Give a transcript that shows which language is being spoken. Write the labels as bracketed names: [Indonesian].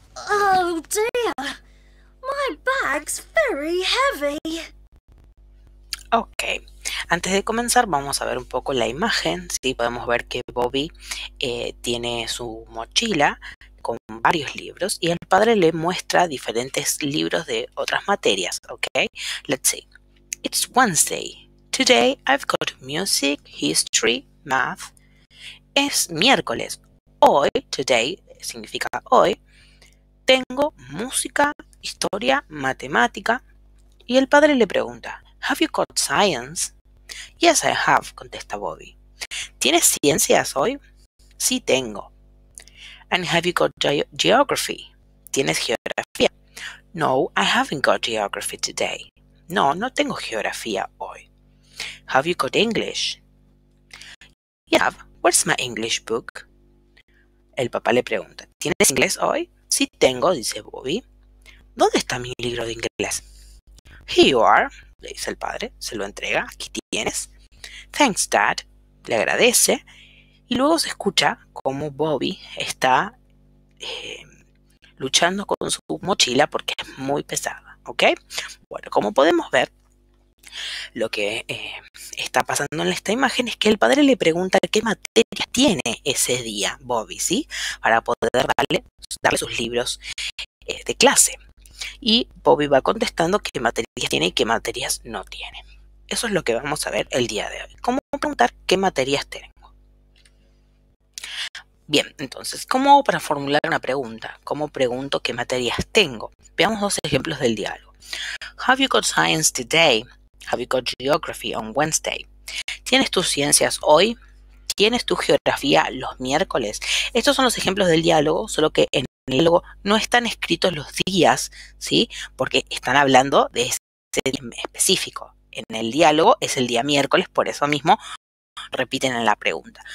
[English] Oh dear, my bag's very heavy. Okay. [Spanish] Antes de comenzar, vamos a ver un poco la imagen. Sí, podemos ver que Bobby tiene su mochila con varios libros y el padre le muestra diferentes libros de otras materias. [English] Okay, let's see. It's Wednesday. Today I've got music, history, math. [Spanish] Es miércoles. Hoy, today, significa hoy, tengo música, historia, matemática. Y el padre le pregunta, have you got science? Yes, I have, contesta Bobby. ¿Tienes ciencias hoy? Sí, tengo. [English] And have you got geography? ¿Tienes geografía? No, I haven't got geography today. [Spanish] No, no tengo geografía hoy. [English] Have you got English? Yeah, where's my English book? [Spanish] El papá le pregunta, ¿tienes inglés hoy? Sí, tengo, dice Bobby. ¿Dónde está mi libro de inglés? Here you are, le dice el padre, se lo entrega, aquí tienes. Thanks, Dad, le agradece. Y luego se escucha cómo Bobby está luchando con su mochila porque es muy pesada, ¿ok? Bueno, como podemos ver, lo que está pasando en esta imagen es que el padre le pregunta qué materias tiene ese día Bobby, ¿sí? Para poder darle sus libros de clase. Y Bobby va contestando qué materias tiene y qué materias no tiene. Eso es lo que vamos a ver el día de hoy. ¿Cómo preguntar qué materias tienen? Bien, entonces, ¿cómo hago para formular una pregunta? ¿Cómo pregunto qué materias tengo? Veamos dos ejemplos del diálogo. [English] Have you got science today? Have you got geography on Wednesday? [Spanish] ¿Tienes tus ciencias hoy? ¿Tienes tu geografía los miércoles? Estos son los ejemplos del diálogo, solo que en el diálogo no están escritos los días, ¿sí? Porque están hablando de ese día específico. En el diálogo es el día miércoles, por eso mismo repiten en la pregunta.